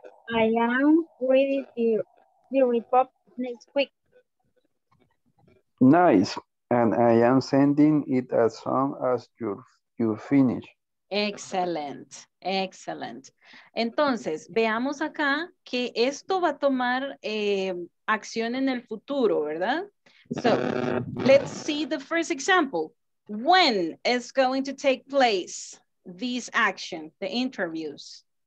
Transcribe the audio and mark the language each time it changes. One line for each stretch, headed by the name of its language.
English: I am reading the report next week. Nice. And I am sending it as soon as you finish. Excellent. Excellent.
Spanish: Entonces, veamos acá que esto va a tomar acción en el futuro, ¿verdad?
English: So, let's see the first example. When is going to take place this action, the interviews?